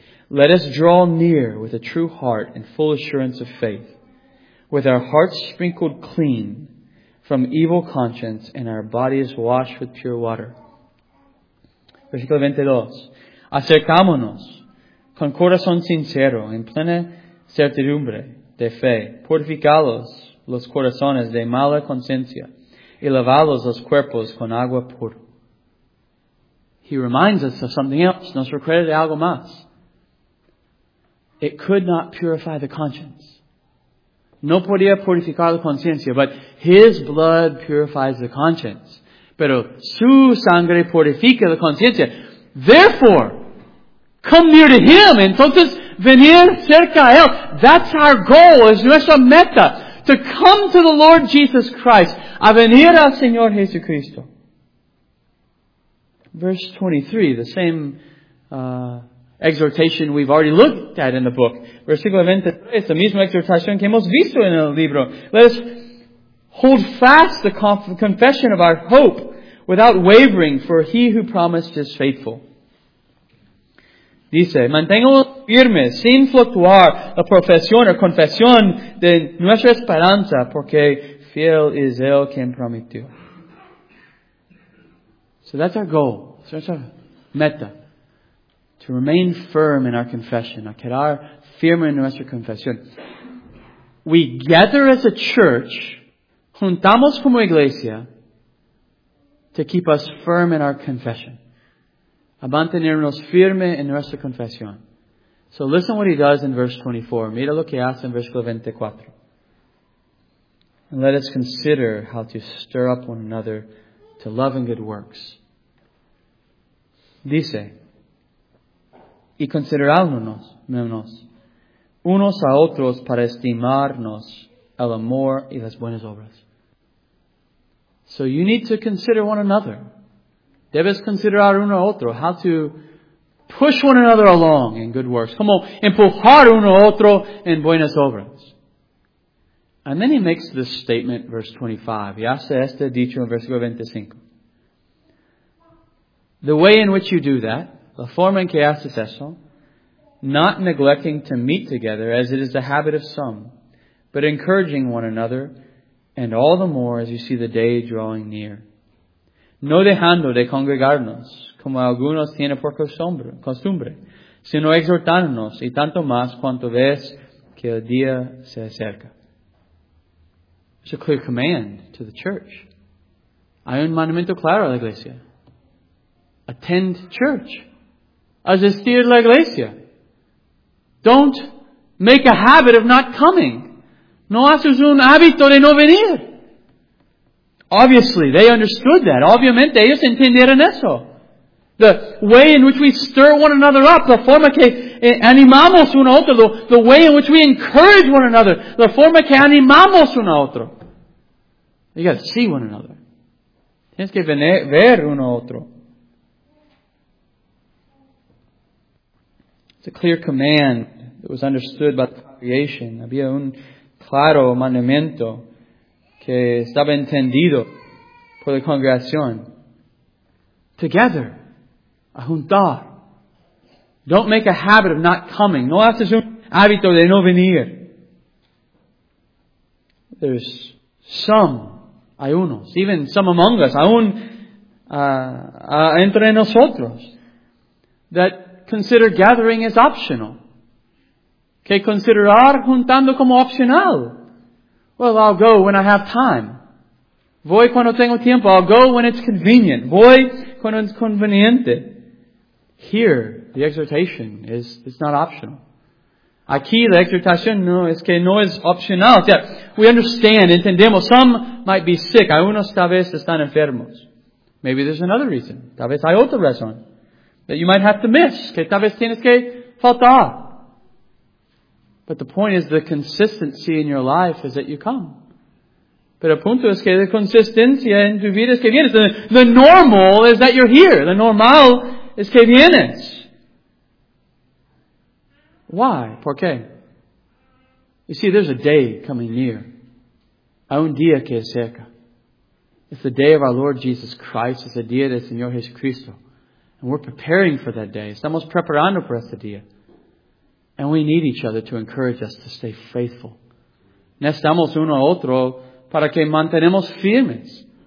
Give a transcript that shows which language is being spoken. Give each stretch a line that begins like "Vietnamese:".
English: Let us draw near with a true heart and full assurance of faith, with our hearts sprinkled clean from evil conscience and our bodies washed with pure water.
Spanish: Versículo 22. Acercámonos con corazón sincero, en plena certidumbre de fe, purificados los corazones de mala conciencia, y lavados los cuerpos con agua pura.
English: He reminds us of something else,
Spanish: nos recuerda de algo más.
English: It could not purify the conscience.
Spanish: No podía purificar la conciencia,
English: but his blood purifies the conscience.
Spanish: Pero su sangre purifica la conciencia.
English: Therefore, come near to him.
Spanish: Entonces, venir cerca a él.
English: That's our goal.
Spanish: Es nuestra meta.
English: To come to the Lord Jesus Christ.
Spanish: A venir al Señor Jesucristo.
English: Verse 23, the same exhortation we've already looked at in the book.
Spanish: Versículo 23, la misma exhortación que hemos visto en el libro.
English: Let us hold fast the confession of our hope without wavering, for he who promised is faithful.
Spanish: Dice, mantengamos firmes, sin fluctuar, la profesión o confesión de nuestra esperanza, porque fiel es él quien prometió.
English: So that's our goal. So that's our meta. To remain firm in our confession.
Spanish: A quedar firme en nuestra confesión.
English: We gather as a church,
Spanish: juntamos como iglesia,
English: to keep us firm in our confession.
Spanish: A mantenernos firme en nuestra confesión.
English: So listen what he does in verse 24.
Spanish: Mira lo que hace en versículo 24.
English: And let us consider how to stir up one another to love and good works.
Spanish: Dice, y considerándonos unos a otros para estimarnos el amor y las buenas obras.
English: So you need to consider one another.
Spanish: Debes considerar uno a otro.
English: How to push one another along in good works.
Spanish: Como empujar uno a otro en buenas obras.
English: And then he makes this statement, verse 25.
Spanish: Y hace este dicho en versículo 25.
English: The way in which you do that,
Spanish: la forma en que haces eso,
English: not neglecting to meet together, as it is the habit of some, but encouraging one another, and all the more as you see the day drawing near.
Spanish: No dejando de congregarnos, como algunos tienen por costumbre, sino exhortándonos, y tanto más cuanto ves que el día se acerca.
English: It's a clear command to the church.
Spanish: Hay un mandamiento claro a la iglesia.
English: Attend church.
Spanish: Asistir la iglesia.
English: Don't make a habit of not coming.
Spanish: No haces un hábito de no venir.
English: Obviously, they understood that.
Spanish: Obviamente, ellos entendieron eso.
English: The way in which we stir one another up,
Spanish: la forma que animamos uno a otro,
English: the way in which we encourage one another, la forma que animamos uno a otro. You got to see one another.
Spanish: Tienes que ver uno a otro.
English: It's a clear command that was understood by the congregation.
Spanish: Había un claro mandamiento que estaba entendido por la congregación.
English: Together,
Spanish: a juntar.
English: Don't make a habit of not coming.
Spanish: No haces un hábito de no venir.
English: There's some,
Spanish: hay unos,
English: even some among us,
Spanish: aún entre nosotros,
English: that consider gathering as optional.
Spanish: Que considerar juntando como opcional.
English: Well, I'll go when I have time.
Spanish: Voy cuando tengo tiempo.
English: I'll go when it's convenient.
Spanish: Voy cuando es conveniente.
English: Here, the exhortation is, it's not optional.
Spanish: Aquí, la exhortación no es que no es opcional.
English: Yeah, we understand,
Spanish: entendemos.
English: Some might be sick.
Spanish: Algunos tal vez están enfermos.
English: Maybe there's another reason.
Spanish: Tal vez hay otra razón.
English: That you might have to miss.
Spanish: Que tal vez tienes que faltar.
English: But the point is the consistency in your life is that you come.
Spanish: Pero el punto es que la consistencia en tu vida es que vienes.
English: The normal is that you're here. The normal
Spanish: es que vienes.
English: Why?
Spanish: ¿Por qué?
English: You see, there's a day coming near.
Spanish: Hay un día que es cerca.
English: It's the
Spanish: day of our Lord Jesus Christ. It's the día del Señor Jesucristo.
English: And we're preparing for that day.
Spanish: Estamos preparando para ese día.
English: And we need each other to encourage us to stay faithful.
Spanish: Necesitamos uno a otro para que mantenemos firmes.